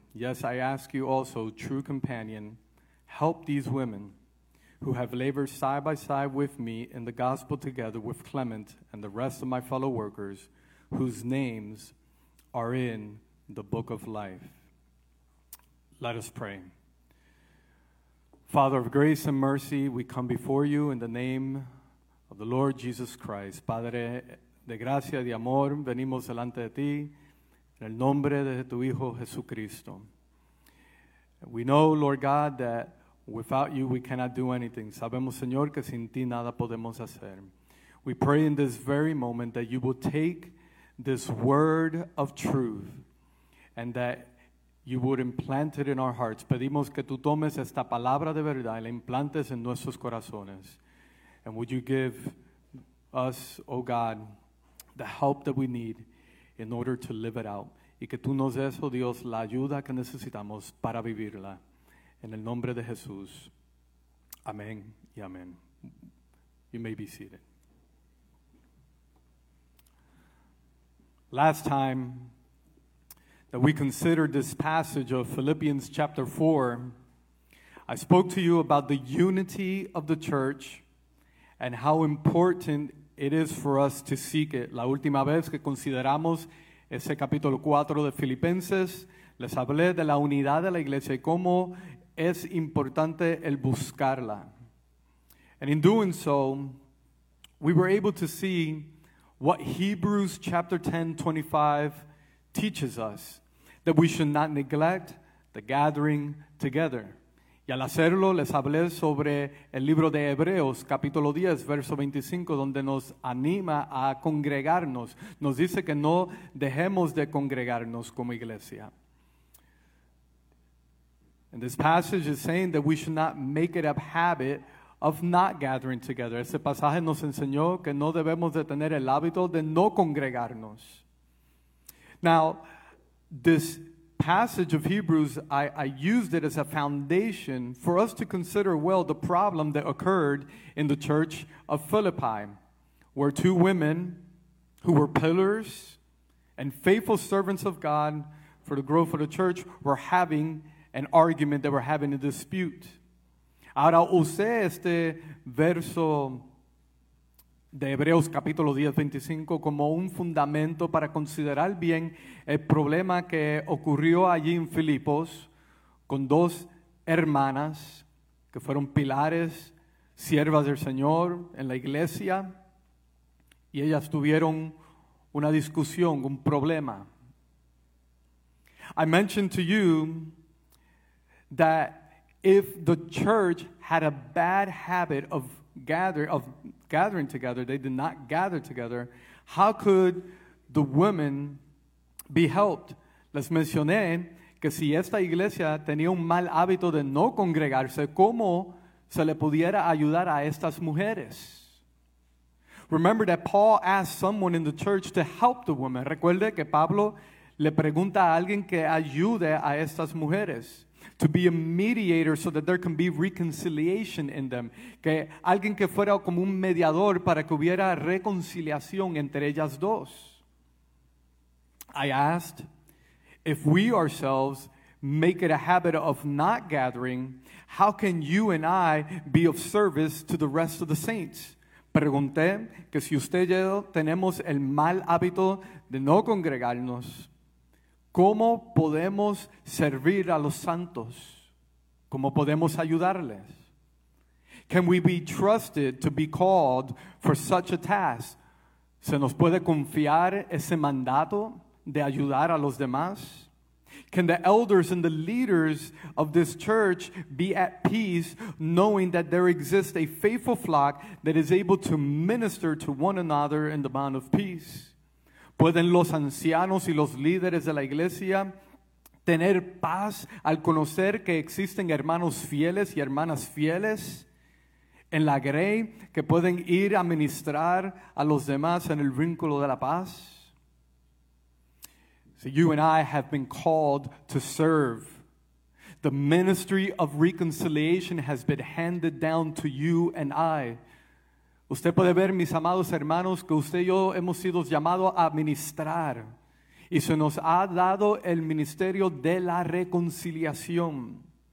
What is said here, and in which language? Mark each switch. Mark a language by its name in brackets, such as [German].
[English] Yes, I ask you also, true companion, help these women who have labored side by side with me in the gospel together with Clement and the rest of my fellow workers whose names are in the book of life. Let us pray. Father of grace and mercy, we come before you in the name of the Lord Jesus Christ. [Spanish] Padre de gracia y de amor, venimos delante de ti en el nombre de tu Hijo Jesucristo. [English] We know, Lord God, that without you, we cannot do anything. [Spanish] Sabemos, Señor, que sin ti nada podemos hacer. [English] We pray in this very moment that you will take this word of truth and that you would implant it in our hearts. [Spanish] Pedimos que tú tomes esta palabra de verdad y la implantes en nuestros corazones. [English] And would you give us, oh God, the help that we need in order to live it out. [Spanish] Y que tú nos des, oh Dios, la ayuda que necesitamos para vivirla. En el nombre de Jesús. Amén y amén. [English] You may be seated. Last time that we considered this passage of Philippians chapter 4, I spoke to you about the unity of the church and how important it is for us to seek it. [Spanish] La última vez que consideramos ese capítulo 4 de Filipenses, les hablé de la unidad de la iglesia y cómo es importante el buscarla. [English] And in doing so, we were able to see what Hebrews chapter 10, 25 teaches us, that we should not neglect the gathering together. [Spanish] Y al hacerlo, les hablé sobre el libro de Hebreos, capítulo 10, verso 25, donde nos anima a congregarnos. Nos dice que no dejemos de congregarnos como iglesia. [English] And this passage is saying that we should not make it a habit of not gathering together. [Spanish] Este pasaje nos enseñó que no debemos de tener el hábito de no congregarnos. [English] Now, this passage of Hebrews, I used it as a foundation for us to consider well the problem that occurred in the church of Philippi, where two women who were pillars and faithful servants of God for the growth of the church were having an argument, they were having a dispute. [Spanish] Ahora usé este verso de Hebreos capítulo 10, 25 como un fundamento para considerar bien el problema que ocurrió allí en Filipos con dos hermanas que fueron pilares, siervas del Señor en la iglesia y ellas tuvieron una discusión, un problema. [English] I mentioned to you that if the church had a bad habit of gathering together, they did not gather together, how could the women be helped? [Spanish] Les mencioné que si esta iglesia tenía un mal hábito de no congregarse, ¿cómo se le pudiera ayudar a estas mujeres? [English] Remember that Paul asked someone in the church to help the women. [Spanish] Recuerde que Pablo le pregunta a alguien que ayude a estas mujeres. [English] to be a mediator so that there can be reconciliation in them. [Spanish] Que alguien que fuera como un mediador para que hubiera reconciliación entre ellas dos. [English] I asked if we ourselves make it a habit of not gathering, how can you and I be of service to the rest of the saints? [Spanish] Pregunté que si usted y yo tenemos el mal hábito de no congregarnos, ¿cómo podemos servir a los santos? ¿Cómo podemos ayudarles? [English] Can we be trusted to be called for such a task? [Spanish] ¿Se nos puede confiar ese mandato de ayudar a los demás? [English] Can the elders and the leaders of this church be at peace knowing that there exists a faithful flock that is able to minister to one another in the bond of peace? [Spanish] ¿Pueden los ancianos y los líderes de la iglesia tener paz al conocer que existen hermanos fieles y hermanas fieles en la grey que pueden ir a ministrar a los demás en el vínculo de la paz? [English] So you and I have been called to serve. The ministry of reconciliation has been handed down to you and I. [Spanish] Usted puede ver, mis amados hermanos, que usted y yo hemos sido llamados a ministrar. Y se nos ha dado el ministerio de la reconciliación.